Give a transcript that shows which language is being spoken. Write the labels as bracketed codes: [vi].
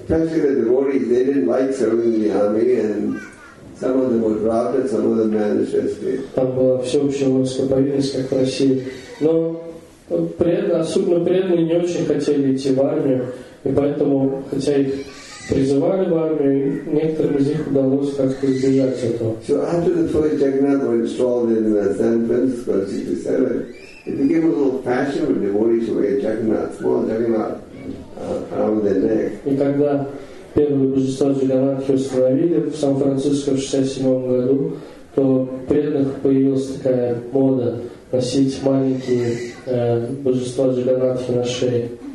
[ru] Там была всеобщая воинская повинность, как в России. Но особенно преданные не очень хотели идти в армию, и поэтому, хотя их призывали в армию, некоторым из них удалось как-то избежать этого. [en] So after the first Jagannath was installed in San Francisco in 67, it became a little fashion when devotees wear Jagannath, small Jagannath around their neck. [ru] И когда первые божества Джаганатхи установили в Сан-Франциско в 67 году, то преданных появилась такая мода носить маленькие божества Джаганатхи на шее.